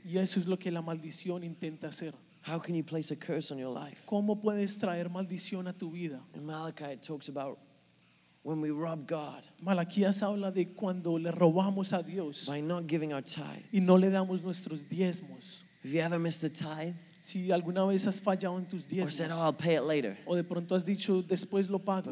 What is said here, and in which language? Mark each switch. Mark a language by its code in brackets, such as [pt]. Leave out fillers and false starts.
[es] Y eso es lo que la maldición intenta hacer. [en] How can you place a curse on your life? [es] ¿Cómo puedes traer maldición a tu vida? [en] In Malachi it talks about when we rob God. [es] Malaquías habla de cuando le robamos a Dios. [en] By not giving our tithes. [es] Y no le damos nuestros diezmos. [en] Have you ever missed a tithe? [es] Si alguna vez has fallado en tus diezmos, [en] or said, "Oh, I'll pay it later." [es] O de pronto has dicho, después lo pago.